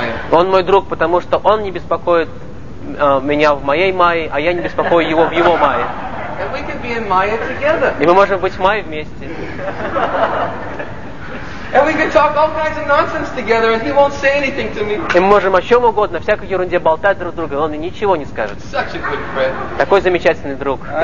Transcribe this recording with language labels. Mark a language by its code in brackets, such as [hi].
[ru] Он мой друг, потому что он не беспокоит меня в моей майе, а я не беспокою его в его майе. [en] And we can be in майе together. [ru] И мы можем быть в майе вместе. [en] And we can talk all kinds of nonsense together, and he won't say anything to me. [ru] И мы можем о чем угодно, всякой ерунде болтать друг с другом, он мне ничего не скажет. [en] Such a good friend. [ru] Такой замечательный друг.